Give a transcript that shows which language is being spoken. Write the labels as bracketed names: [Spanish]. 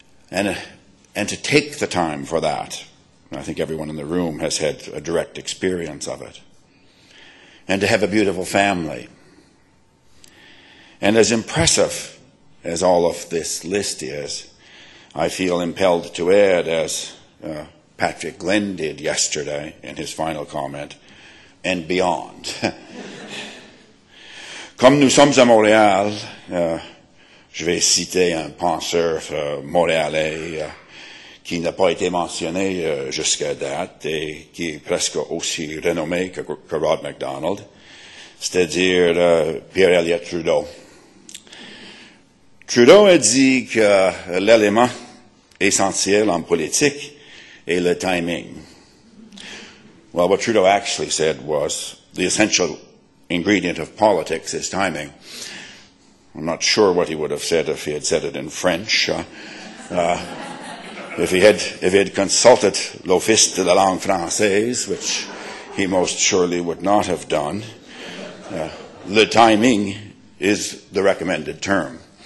[English] And to take the time for that, I think everyone in the room has had a direct experience of it, and to have a beautiful family. And as impressive as all of this list is, I feel impelled to add, as Patrick Glenn did yesterday in his final comment, and beyond. [French] Comme nous sommes à Montréal, je vais citer un penseur montréalais qui n'a pas été mentionné jusqu'à date et qui est presque aussi renommé que Rod MacDonald, c'est-à-dire Pierre-Elliott Trudeau. Trudeau a dit que l'élément essentiel en politique est le timing. [English] Well, what Trudeau actually said was the essential ingredient of politics is timing. I'm not sure what he would have said if he had said it in French. if he had consulted l'Office de la langue française, which he most surely would not have done, le timing is the recommended term.